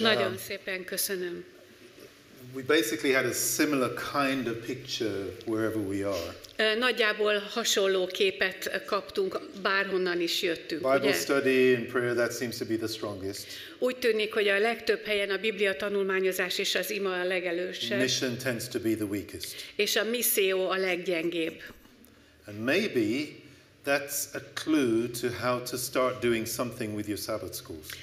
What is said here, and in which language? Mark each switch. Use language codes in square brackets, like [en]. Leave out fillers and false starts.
[hu] Nagyon szépen köszönöm. [en] We basically had a similar kind of picture wherever we are. [hu] Nagyjából hasonló képet kaptunk, bárhonnan is jöttünk. [en] Bible study and prayer, that seems to be the strongest. [hu] Úgy tűnik, hogy a legtöbb helyen a Biblia tanulmányozás és az ima a legelősebb. [en] Mission tends to be the weakest. [hu] És a misszió a leggyengébb. [en] And maybe that's a clue to how to start doing something with your Sabbath schools.